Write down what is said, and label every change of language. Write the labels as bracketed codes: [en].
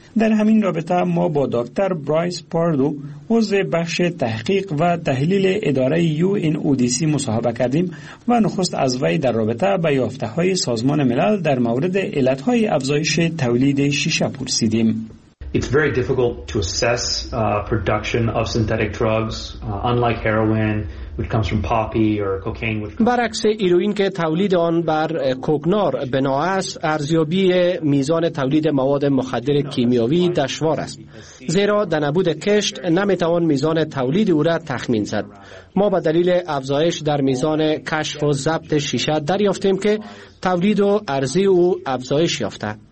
[fa] در همین رابطه ما با دکتر برایس پاردو، عضو بخش تحقیق و تحلیل اداره UNODC مصاحبه کردیم و نخست از وی در رابطه با یافته های سازمان ملل در مورد علت های افزایش تولید شیشه پرسیدیم. [en] It's very difficult to assess production of synthetic drugs, unlike heroin, which comes from poppy or cocaine. [fa] برعکس ایروین که تولید آن بر کوکنار بنا است، ارزیابی میزان تولید مواد مخدر کیمیاوی دشوار است. زیرا در نبود کشت نمیتوان میزان تولید او را تخمین زد. ما به دلیل افزایش در میزان کشف و ضبط شیشه دریافتیم که تولید و ارزی او افزایش یافته.